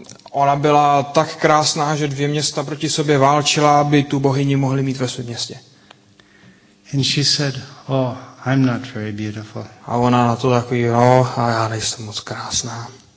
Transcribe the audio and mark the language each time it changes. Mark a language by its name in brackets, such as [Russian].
[Czech] Ona byla tak krásná, že dvě města proti sobě válčila, aby tu bohyni mohli mít ve svém městě. [English] And she said, oh, I'm not very beautiful. [Czech] A ona na to takový, no, a já nejsem moc krásná.